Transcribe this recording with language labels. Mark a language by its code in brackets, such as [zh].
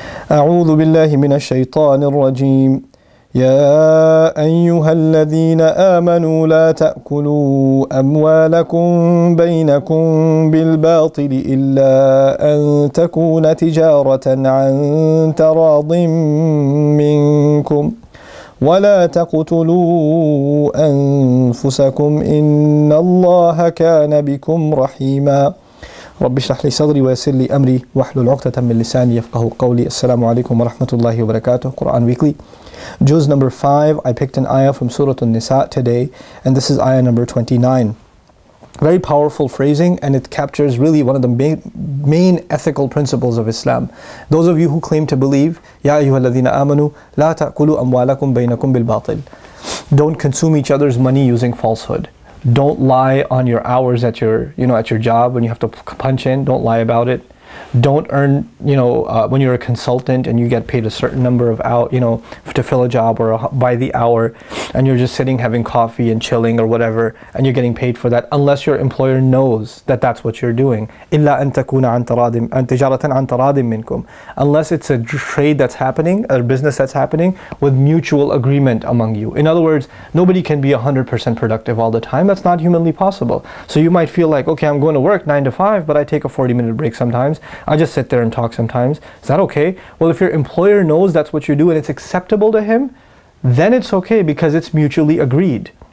[ar] أعوذ بالله من الشيطان الرجيم. يا أيها الذين آمنوا لا تأكلوا أموالكم بينكم بالباطل إلا أن تكون تجارة عن تراض منكم ولا تقتلوا أنفسكم إن الله كان بكم رحيما. رب اشرح لي صدري ويسر لي أمري واحلل عقدة من لساني يفقه قولي. السلام عليكم ورحمة الله وبركاته. [en] قرآن Weekly Juz number 5, I picked an ayah from Surah An-Nisa today, and this is ayah number 29. Very powerful phrasing, and it captures really one of the main ethical principles of Islam. Those of you who claim to believe, [ar] يَا أَيُّهَا الَّذِينَ آمَنُوا لَا تَأْكُلُوا أَمْوَالَكُمْ بَيْنَكُمْ بِالْبَاطِلِ. [en] Don't consume each other's money using falsehood. Don't lie on your hours at your, you know, at your job when you have to punch in, don't lie about it. Don't earn, you know, when you're a consultant and you get paid a certain number of hours, you know, to fill a job or by the hour, and you're just sitting having coffee and chilling or whatever, and you're getting paid for that, unless your employer knows that that's what you're doing. [ar] إلا أن تكون عن ترادم أن تجارة عن ترادم منكم. [en] Unless it's a trade that's happening, a business that's happening, with mutual agreement among you. In other words, nobody can be 100% productive all the time. That's not humanly possible. So you might feel like, okay, I'm going to work 9 to 5, but I take a 40-minute break sometimes. I just sit there and talk sometimes. Is that okay? Well, if your employer knows that's what you do and it's acceptable to him, then it's okay because it's mutually agreed.